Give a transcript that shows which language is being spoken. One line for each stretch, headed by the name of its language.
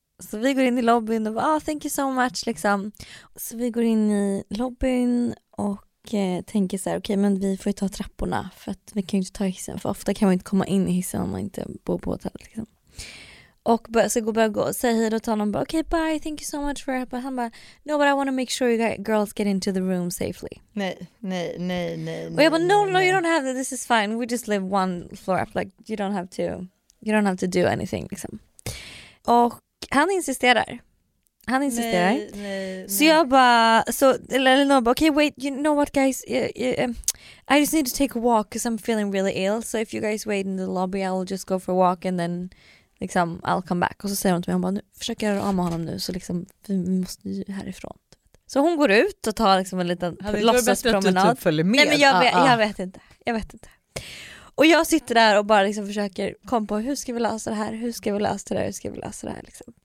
Swedish: Så vi går in i lobbyn och bara,
English: thank you so much
Swedish: liksom. Så vi går in i lobbyn och tänker så här, okej, men vi får ju ta trapporna, för att vi kan ju inte ta hissen, för ofta kan man inte komma in i hissen om man inte bor på hotell liksom. Och börja gå och säga hej då till honom, okej,
English: bye, thank you so much for help.
Swedish: Han bara,
English: no, but I want to make sure you girls get into the room safely.
Swedish: Nej. Och jag bara,
English: no, you don't have to, this is fine, we just live one floor up, like you don't have to do anything
Swedish: liksom. Och Han insisterar. Nej. Så jag bara, så Elinor bara,
English: okay, wait, you know what guys, I just need to take a walk because I'm feeling really ill, so if you guys wait in the lobby I'll just go for a walk and then
Swedish: liksom
English: I'll come back.
Swedish: Och så säger hon till mig, hon bara, nu försöker jag rama honom nu, så liksom vi måste ju härifrån. Så hon går ut och tar liksom en liten låtsaspromenad. Typ följer med. Nej, men jag vet inte. Och jag sitter där och bara liksom försöker komma på hur ska vi lösa det här liksom.